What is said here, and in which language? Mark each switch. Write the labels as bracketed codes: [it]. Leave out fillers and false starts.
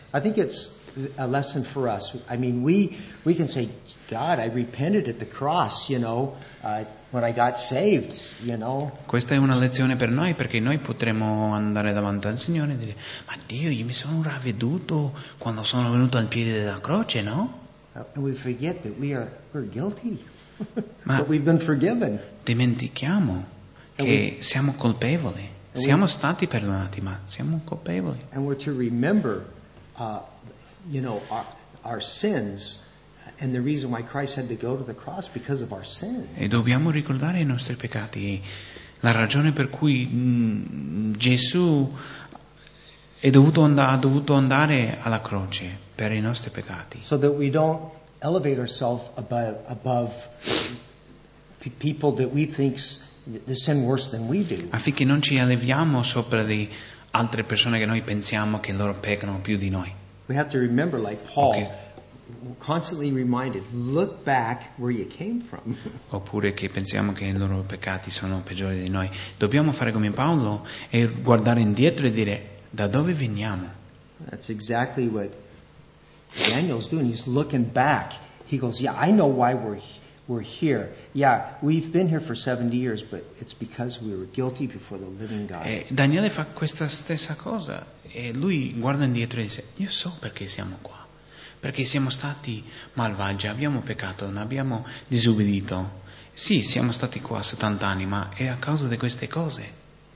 [en] I think it's a lesson for us. I mean, we can say, "God, I repented at the cross. You know, when I got saved. You know." [it] Questa è una lezione per noi, perché noi potremmo andare davanti al Signore e dire, "Ma Dio, io mi sono ravveduto quando sono venuto al piede della croce, no?" [en] And we forget that we're guilty, but we've been forgiven. [it] Dimentichiamo che siamo colpevoli. Siamo stati perdonati, ma siamo colpevoli. [en] And we're to remember, you know, our sins and the reason why Christ had to go to the cross, because of our sin. [it] E dobbiamo ricordare i nostri peccati, la ragione per cui Gesù ha dovuto andare alla croce, per i nostri peccati. [en] So that we don't elevate ourselves above people that we think the sin worse than we do. [it] Affinché non ci eleviamo sopra di altre persone che noi pensiamo che loro peccano più di noi. [en] We have to remember, like Paul, okay, constantly reminded, look back where you came from. [it] Oppure che pensiamo che i loro peccati sono peggiori di noi. Dobbiamo fare come Paolo e guardare indietro e dire, da dove veniamo? [en] That's exactly what Daniel's doing. He's looking back. He goes, yeah, I know why we're here. Yeah, we've been here for 70 years, but it's because we were guilty before the living God. [it] E Daniele fa questa stessa cosa. E lui guarda indietro e dice, io so perché siamo qua. Perché siamo stati malvagi, abbiamo peccato, non abbiamo disubbidito. Sì, siamo stati qua 70 anni, ma è a causa di queste cose.